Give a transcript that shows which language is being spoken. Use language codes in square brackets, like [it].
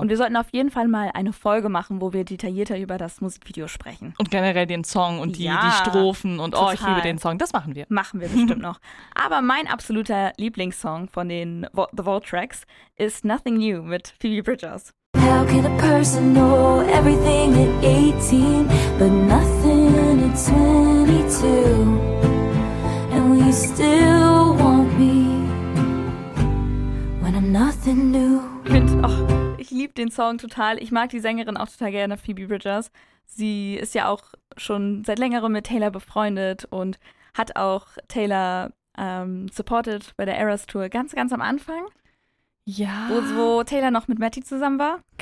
[de] Und wir sollten auf jeden Fall mal eine Folge machen, wo wir detaillierter über das Musikvideo sprechen. Und generell den Song und die Strophen und total. Oh, ich liebe den Song. Das machen wir. Machen wir bestimmt noch. Aber mein absoluter Lieblingssong von den The Vault Tracks ist Nothing New mit Phoebe Bridgers. [en] How can a person know everything at 18 but nothing at 22? Will you still want me when I'm nothing new? [de] Ich liebe den Song total. Ich mag die Sängerin auch total gerne, Phoebe Bridgers. Sie ist ja auch schon seit längerem mit Taylor befreundet und hat auch Taylor supported bei der Eras Tour ganz, ganz am Anfang. Ja. Wo Taylor noch mit Matty zusammen war.